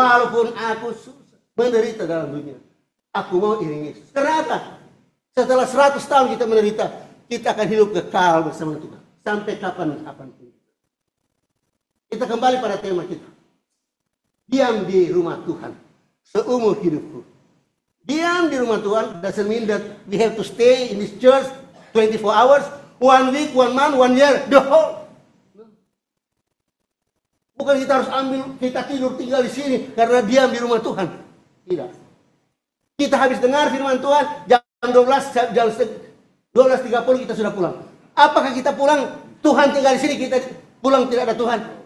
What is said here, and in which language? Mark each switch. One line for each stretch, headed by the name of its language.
Indonesian: Walaupun aku susah menderita dalam dunia, aku mau iringi Yesus. Kenapa? Setelah 100 tahun kita menderita, kita akan hidup kekal bersama Tuhan. Sampai kapan-kapan pun. Kita kembali pada tema kita. Diam di rumah Tuhan seumur hidupku. Diam di rumah Tuhan
English: doesn't mean that we have to stay in this church 24 hours, one week, one month, one year, the whole.
Indonesian: Bukan kita harus ambil, kita tidur tinggal di sini karena diam di rumah Tuhan. Tidak. Kita habis dengar firman Tuhan, jam 12.30 kita sudah pulang. Apakah kita pulang, Tuhan tinggal di sini, kita pulang tidak ada Tuhan?